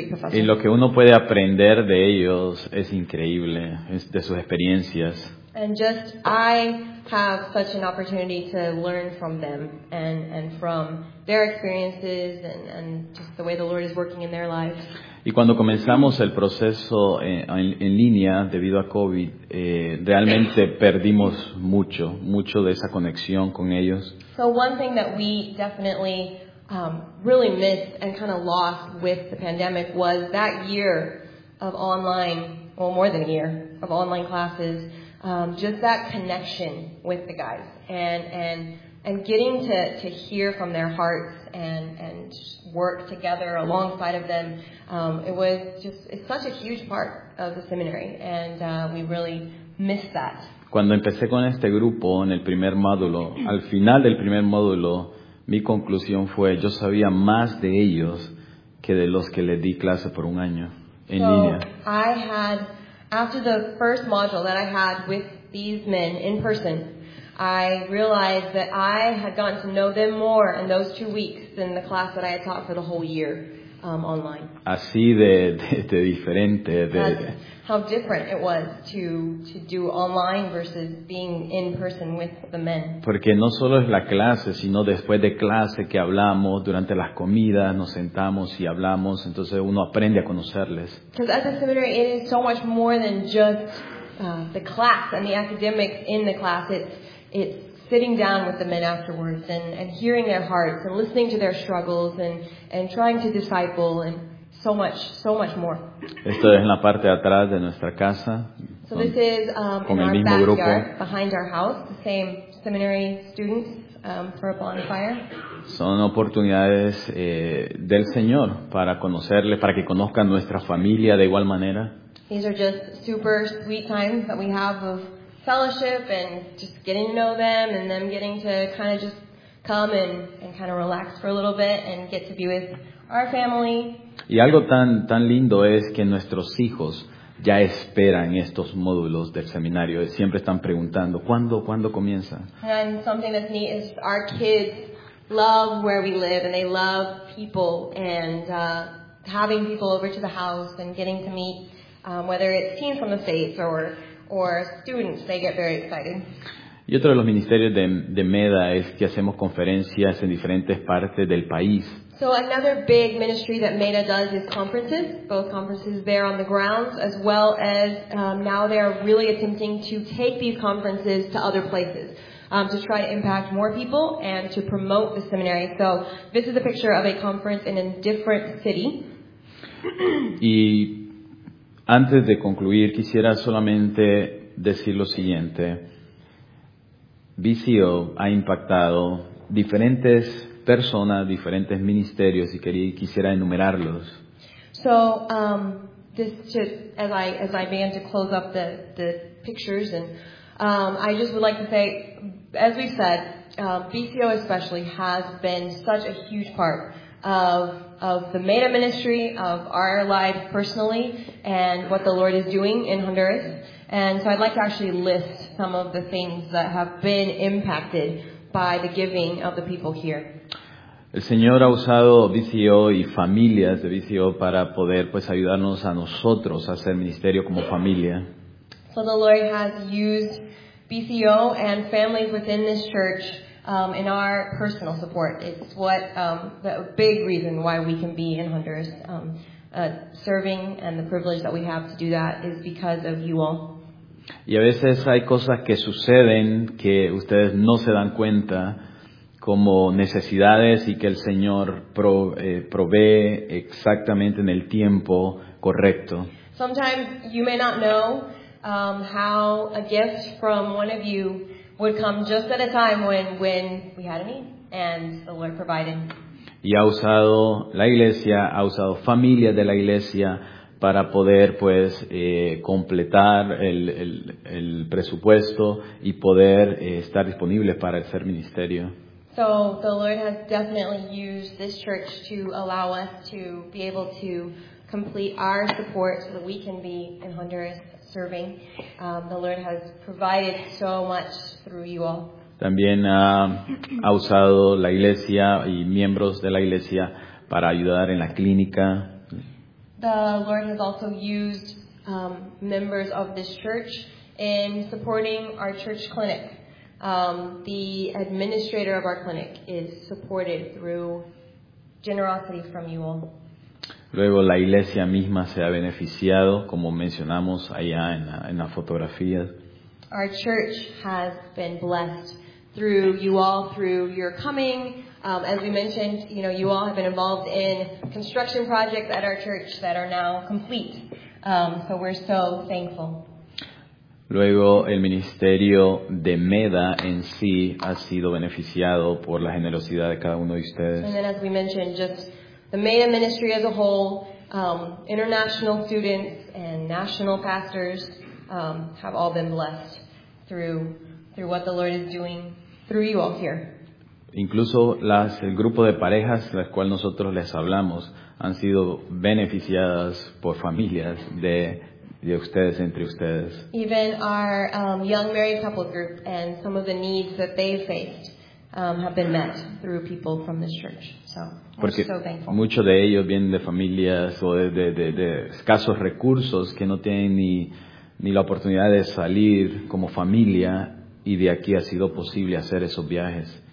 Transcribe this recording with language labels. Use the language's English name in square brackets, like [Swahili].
[Spanish] Y lo que uno puede aprender de ellos es increíble, es de sus experiencias. [English] And just I have such an opportunity to learn from them and from their experiences and just the way the Lord is working in their lives. [Spanish] Y cuando comenzamos el proceso en línea debido a COVID, realmente perdimos mucho de esa conexión con ellos. [English] So one thing that we definitely really missed and kind of lost with the pandemic was that year of online, well, more than a year of online classes, just that connection with the guys and getting to hear from their hearts and work together alongside of them. It's such a huge part of the seminary, and we really miss that. [Spanish] Cuando empecé con este grupo en el primer módulo, al final del primer módulo, mi conclusión fue, yo sabía más de ellos que de los que les di clase por un año en línea. [English] I had, after the first module that I had with these men in person, I realized that I had gotten to know them more in those 2 weeks than the class that I had taught for the whole year online. [Spanish] Así de diferente. [English] How different it was to do online versus being in person with the men. [Spanish] Porque no solo es la clase, sino después de clase que hablamos, durante las comidas, nos sentamos y hablamos, entonces uno aprende a conocerles. [English] Because at the seminary, it is so much more than just the class and the academics in the class. It's sitting down with the men afterwards and hearing their hearts and listening to their struggles and trying to disciple and so much more. [Spanish] Esto es en la parte de atrás de nuestra casa. [English] So this is in our backyard, [Spanish] grupo. [English] Behind our house, the same seminary students for a bonfire. [Spanish] Son oportunidades del Señor para conocerle, para que conozcan nuestra familia de igual manera. [English] These are just super sweet times that we have of fellowship and just getting to know them and them getting to kind of just come and kind of relax for a little bit and get to be with our family. [Spanish] Y algo tan lindo es que nuestros hijos ya esperan estos módulos del seminario. Siempre están preguntando, ¿cuándo comienza? [English] And something that's neat is our kids love where we live and they love people and having people over to the house and getting to meet whether it's teens from the States or students, they get very excited. [Spanish] Y otro de los ministerios de MEDA es que hacemos conferencias en diferentes partes del país. [English] So another big ministry that MEDA does is conferences, both conferences there on the grounds, as well as now they are really attempting to take these conferences to other places to try to impact more people and to promote the seminary. So this is a picture of a conference in a different city. [Spanish] Y antes de concluir, quisiera solamente decir lo siguiente. VCO ha impactado diferentes personas, diferentes ministerios, y quisiera enumerarlos. [English] So, this just, as I began to close up the pictures, and I just would like to say, as we said, VCO especially has been such a huge part of the MEDA ministry, of our lives personally, and what the Lord is doing in Honduras. And so I'd like to actually list some of the things that have been impacted by the giving of the people here. [Spanish] El Señor ha usado VCO y familias de VCO para poder pues ayudarnos a nosotros a hacer ministerio como familia. [English] So the Lord has used VCO and families within this church in our personal support. It's what the big reason why we can be in Honduras serving, and the privilege that we have to do that is because of you all. [Spanish] Y a veces hay cosas que suceden que ustedes no se dan cuenta como necesidades y que el Señor provee exactamente en el tiempo correcto. [English] Sometimes you may not know how a gift from one of you would come just at a time when we had a need and the Lord provided. [Spanish] Y ha usado la iglesia, ha usado familias de la iglesia para poder pues completar el presupuesto y poder estar disponible para hacer ministerio. [English] So the Lord has definitely used this church to allow us to be able to complete our support so that we can be in Honduras serving. The Lord has provided so much through you all. [Spanish] También ha usado la iglesia y miembros de la iglesia para ayudar en la clínica. [English] The Lord has also used members of this church in supporting our church clinic. The administrator of our clinic is supported through generosity from you all. [Spanish] Luego la iglesia misma se ha beneficiado, como mencionamos allá en la fotografía. [English] Our church has been blessed through you all, through your coming. As we mentioned, you know, you all have been involved in construction projects at our church that are now complete. So we're so thankful. [Spanish] Luego el ministerio de MEDA en sí ha sido beneficiado por la generosidad de cada uno de ustedes. [English] And then as we mentioned, just the MEDA ministry as a whole, international students and national pastors have all been blessed through what the Lord is doing through you all here. [Spanish] Incluso el grupo de parejas de las cuales nosotros les hablamos han sido beneficiadas por familias de ustedes, entre ustedes. [English] Even our young married couple group and some of the needs that they faced have been met through people from this church. So, [Spanish] porque [English] I'm so thankful. [Spanish] Muchos de ellos vienen de familias o de escasos recursos que no tienen ni la oportunidad de salir como familia, y de aquí ha sido posible hacer esos viajes.